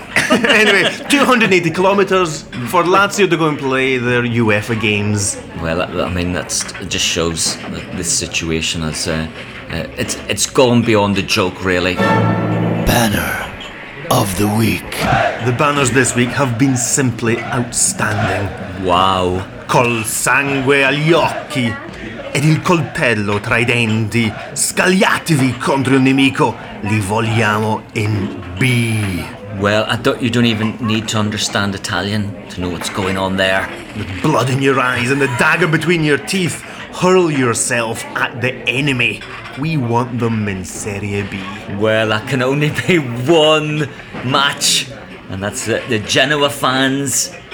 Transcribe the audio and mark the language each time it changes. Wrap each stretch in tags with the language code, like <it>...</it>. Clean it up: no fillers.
<en>Anyway, 280 kilometres for Lazio to go and play their UEFA games. Well, I mean, that just shows that this situation has it's gone beyond the joke, really. Banner of the week. The banners this week have been simply outstanding. Wow.</en> <it>Col sangue agli occhi ed il coltello tra I denti, scagliatevi contro il nemico, li vogliamo in B.</it> <en>Well, I thought you don't even need to understand Italian to know what's going on there. The blood in your eyes and the dagger between your teeth, hurl yourself at the enemy. We want them in Serie B. Well, I can only play one match, and that's the Genoa fans.</en>